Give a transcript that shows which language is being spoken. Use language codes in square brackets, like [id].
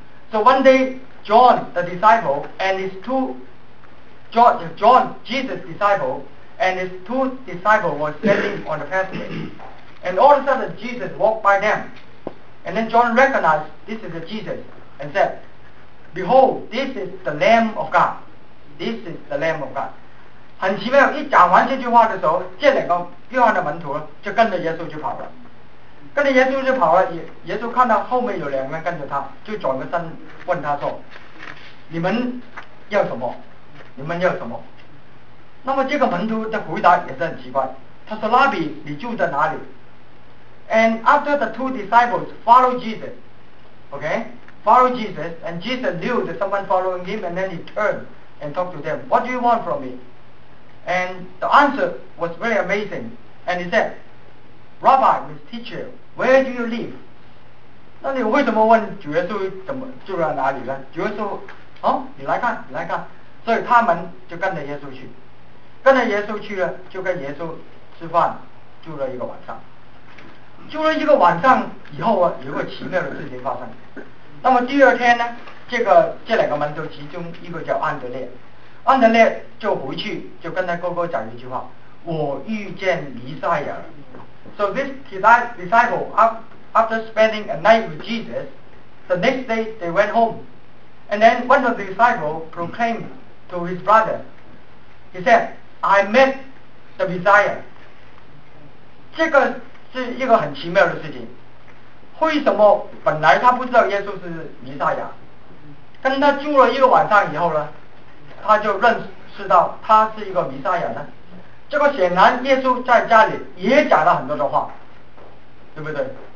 [en] So one day John the disciple and his two John Jesus disciple and his two disciples were standing on the pathway, and all of a sudden Jesus walked by them, and then John recognized this is the Jesus and said, behold, this is the Lamb of God, this is the Lamb of God. [zh] 很奇妙，一讲完这句话的时候，这两个约翰的门徒就跟着耶稣就跑了，跟着耶稣就跑了。耶稣看到后面有两个人跟着他，就转个身问他说，你们要什么？你们要什么？那么这个门徒的回答也是很奇怪，他说，拉比，你住在哪里？ [en] And after the two disciples followed Jesus, OK, followed Jesus, and Jesus knew that someone following him, and then he turned and talked to them, what do you want from me? And the answer was very amazing, and he said, Rabbi, his teacher, where do you live? [zh] 那你为什么问主耶稣怎么住在哪里呢？主耶稣，哦，你来看，你来看。所以他们就跟着耶稣去，跟着耶稣去了，就跟耶稣吃饭，住了一个晚上。住了一个晚上以后啊，有个奇妙的事情发生。那么第二天呢，这两个门徒其中一个叫安德烈，安德烈就回去就跟他哥哥讲一句话：我遇见弥赛亚。 [en] So this disciple after spending a night with Jesus, the next day they went home, and then one of the disciples proclaimed. To his brother, he said, "I met the Messiah." [zh] 这个是一个很奇妙的事情。为什么本来他不知道耶稣是弥赛亚，跟他住了一个晚上以后呢，他就认识到他是一个弥赛亚呢？这个显然耶稣在家里也讲了很多的话，对不对？